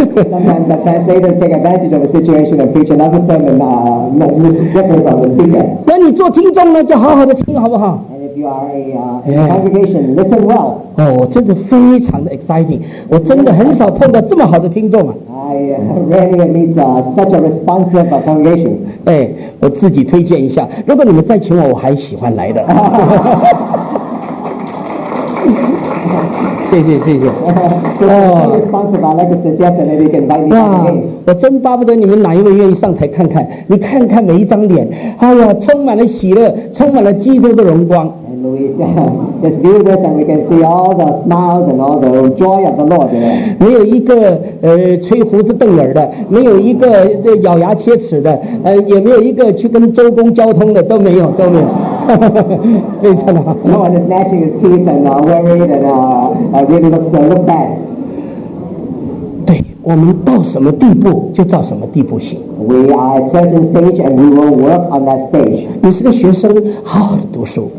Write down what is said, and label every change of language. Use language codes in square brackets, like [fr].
[en] Sometimes the translator take advantage of a situation and preach another sermon, different from the speaker. [zh] 那你做听众呢，就好好的听，好不好？ [en] You are a congregation. Listen well. [zh] 哦，真的非常的 exciting. 我真的很少碰到这么好的听众啊。 [en] I rarely meet such a responsive congregation. [zh] 哎，我自己推荐一下，如果你们再请我，我还喜欢来的。谢谢谢谢。哦，帮助吧，那个时间可能得跟大家。啊，我真巴不得你们哪一位愿意上台看看，你看看每一张脸，哎呀，充满了喜乐，充满了基督的荣光。 [en] And we just view this, and we can see all the smiles and all the joy of the Lord. [zh] 没有一个吹胡子瞪眼的，没有一个咬牙切齿的，也没有一个去跟周公交通的，都没有，都没有。非常好。 [en] No one is gnashing his teeth and worried and really looks look bad. [zh] 对，我们到什么地步就到什么地步行。 [en] We are at certain stage and we will work on that stage. [zh] 你是个学生，好好的读书。